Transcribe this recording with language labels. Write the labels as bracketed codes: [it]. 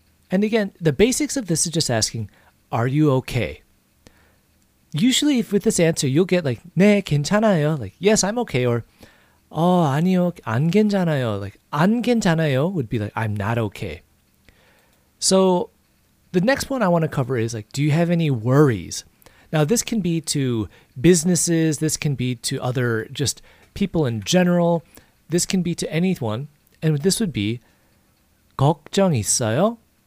[en] And again, the basics of this is just asking, are you okay? Usually, if with this answer, you'll get like, [ko] 네, 괜찮아요. [en] Like, yes, I'm okay. [ko] Or, 어, 아니요, 안 괜찮아요. [en] Like, [ko] 안 괜찮아요 [en] would be like, I'm not okay. So the next one I want to cover is like, do you have any worries? Now, this can be to businesses. This can be to other just people in general. This can be to anyone. And this would be [ko] 걱정 있어요?